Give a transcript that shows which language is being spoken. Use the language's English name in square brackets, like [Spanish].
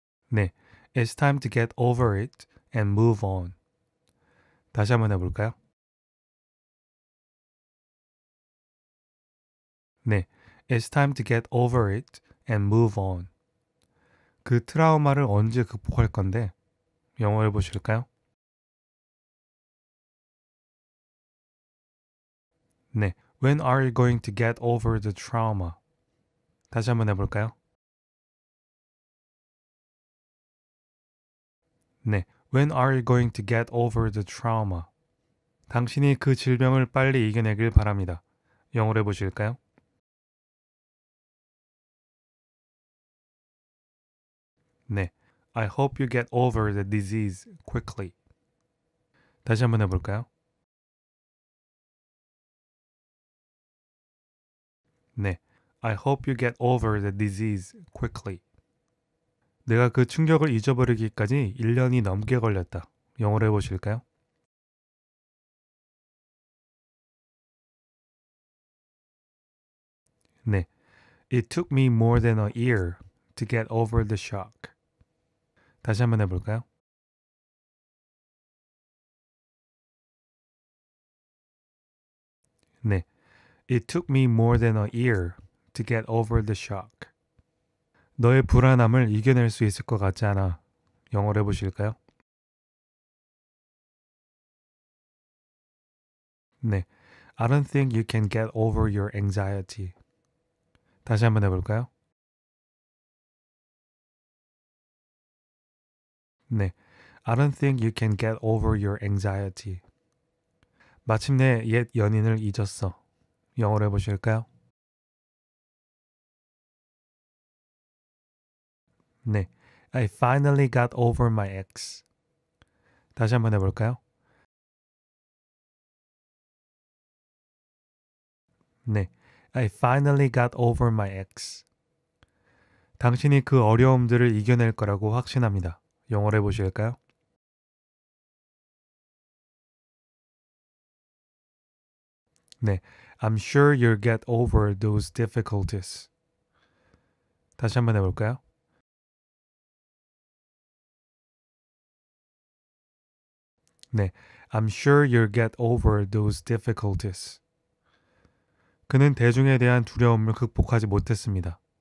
[English] 네, It's time to get over it and move on. [Korean] 다시 한번 해볼까요? [English] 네, It's time to get over it and move on. [Korean] 그 트라우마를 언제 극복할 건데? 영어 해보실까요? [English] 네, When are you going to get over the trauma? [Korean] 다시 한번 해볼까요? [English] 네, When are you going to get over the trauma? [Korean] 당신이 그 질병을 빨리 이겨내길 바랍니다. 영어로 해보실까요? [English] 네, I hope you get over the disease quickly. [Korean] 다시 한번 해볼까요? [English] 네, I hope you get over the disease quickly. [Korean] 내가 그 충격을 잊어버리기까지 1년이 넘게 걸렸다. 영어로 해보실까요? [English] 네, It took me more than a year to get over the shock. [Korean] 다시 한번 해볼까요? [English] 네, It took me more than a year to get over the shock. [Korean] 너의 불안함을 이겨낼 수 있을 것 같지 않아. 영어로 해보실까요? [English] 네, I don't think you can get over your anxiety. [Korean] 다시 한번 해볼까요? [English] 네, I don't think you can get over your anxiety. [Korean] 마침내 옛 연인을 잊었어. 영어로 해보실까요? [English] 네, I finally got over my ex. [Korean] 다시 한번 해볼까요? [English] 네, I finally got over my ex. [Korean] 당신이 그 어려움들을 이겨낼 거라고 확신합니다. 영어로 해보실까요? [English] 네, I'm sure you'll get over those difficulties. [Korean] 다시 한번 해볼까요? [English] 네, I'm sure you'll get over those difficulties. [Korean] 그는 대중에 대한 두려움을 극복하지 못했습니다.